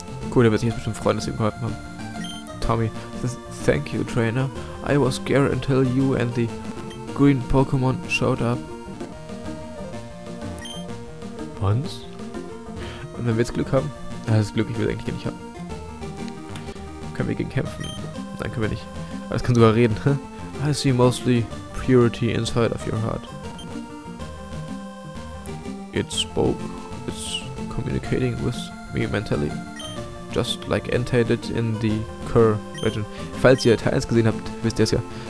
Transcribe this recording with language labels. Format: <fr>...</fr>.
<de>Cool, der wird sich jetzt bestimmt freuen, dass sie ihm geholfen haben.</de> <en>Tommy, thank you, Trainer. I was scared until you and the green Pokemon showed up.</en> <de>Bons? Und wenn wir jetzt Glück haben? Das ist Glück, ich will eigentlich gar nicht haben. Können wir gegen kämpfen? Nein, können wir nicht. Aber es kann sogar reden.</de> <en>I see mostly purity inside of your heart. It spoke. It's communicating with me mentally. Just like Entei did in the Kerr region.</en> <de>Falls ihr Teil 1 gesehen habt, wisst ihr es ja.</de>